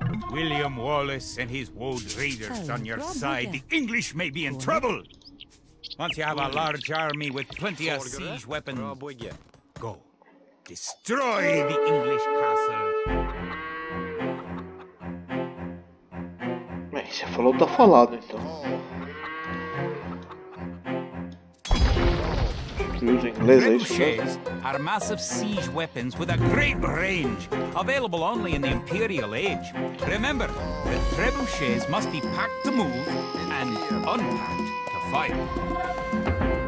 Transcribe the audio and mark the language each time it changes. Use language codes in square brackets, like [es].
[en] William Wallace and his Woad Raiders on your side. The English may be in trouble. Once you have a large army with plenty of siege weapons, go destroy the English castle. [pt] Mas você falou, tá falado então. [en] Ricochets are massive siege weapons with a great range available only in the Imperial Age. Remember, the trebuchets must be packed to move and unpacked to fight.